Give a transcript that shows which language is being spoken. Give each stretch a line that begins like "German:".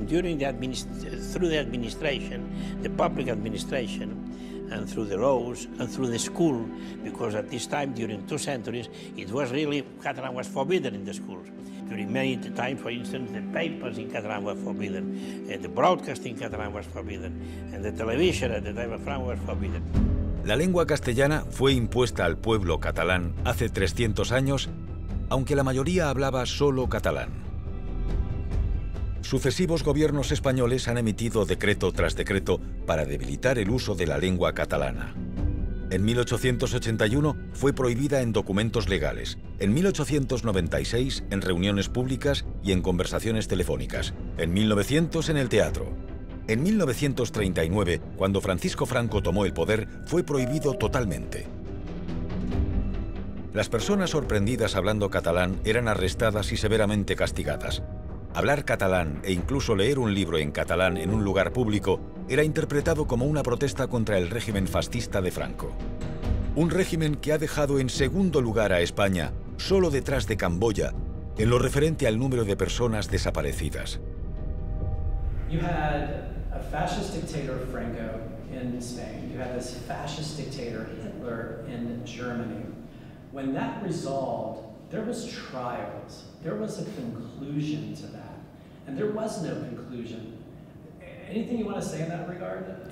English: During the through the administration, the public administration, and through the laws, and through the school, because at this time, during two centuries, it was really, Catalan was forbidden in the schools. During many times, for instance, the papers in Catalan were forbidden, and the broadcasting in Catalan was forbidden, and the television at the time of Franco was forbidden.
Spanish: La lengua castellana fue impuesta al pueblo catalán hace 300 años, aunque la mayoría hablaba solo catalán. Sucesivos gobiernos españoles han emitido decreto tras decreto para debilitar el uso de la lengua catalana. En 1881 fue prohibida en documentos legales, en 1896 en reuniones públicas y en conversaciones telefónicas, en 1900 en el teatro. En 1939, cuando Francisco Franco tomó el poder, fue prohibido totalmente. Las personas sorprendidas hablando catalán eran arrestadas y severamente castigadas. Hablar catalán e incluso leer un libro en catalán en un lugar público era interpretado como una protesta contra el régimen fascista de Franco. Un régimen que ha dejado en segundo lugar a España, solo detrás de Camboya, en lo referente al número de personas desaparecidas.
English: You had a fascist dictator Franco in Spain. You had this fascist dictator Hitler in Germany. When that resolved, there was trials. There was a conclusion to that. And there was no conclusion. Anything you want to say in that regard?